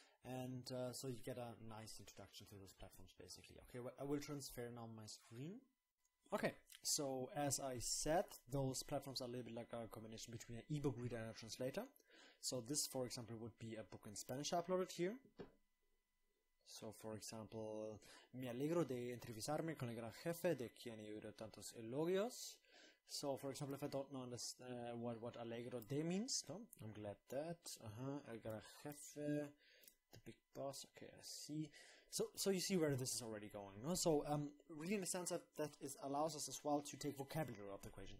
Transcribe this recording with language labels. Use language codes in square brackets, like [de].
[en] And so you get a nice introduction to those platforms, basically. Okay, well, I will transfer now my screen. Okay, so as I said, those platforms are a little bit like a combination between an ebook reader and a translator. So this, for example, would be a book in Spanish I uploaded here. So, for example, [es] me alegro de entrevistarme con el gran jefe de quien he oído tantos elogios. [en] So, for example, if I don't know what alegro de means, no? I'm glad that. [es] El gran jefe, [en] the big boss. Okay, I see. So you see where this is already going. No? So, really in the sense that it allows us as well to take vocabulary out of the equation.